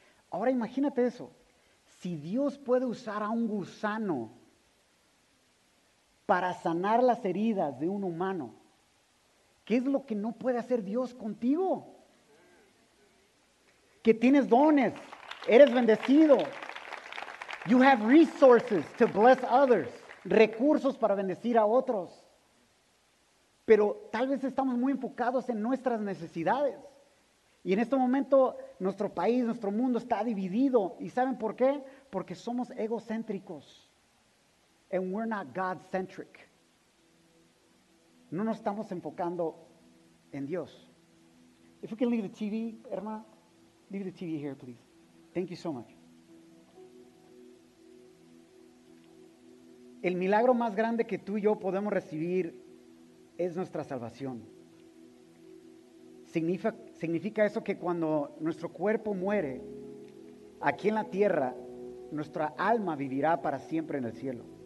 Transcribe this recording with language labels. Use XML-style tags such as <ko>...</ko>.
<es>Ahora imagínate eso. Si Dios puede usar a un gusano para sanar las heridas de un humano, ¿qué es lo que no puede hacer Dios contigo? Que tienes dones, eres bendecido.</es> <en>You have resources to bless others.</en> <es>Recursos para bendecir a otros. Pero tal vez estamos muy enfocados en nuestras necesidades. Y en este momento, nuestro país, nuestro mundo está dividido. ¿Y saben por qué? Porque somos egocéntricos.</es> <en>And we're not God-centric.</en> <es>No nos estamos enfocando en Dios.</es> <en>If we can leave the TV, Irma, leave the TV here, please. Thank you so much.</en> <es>El milagro más grande que tú y yo podemos recibir es nuestra salvación. Significa eso que cuando nuestro cuerpo muere, aquí en la tierra, nuestra alma vivirá para siempre en el cielo.</es>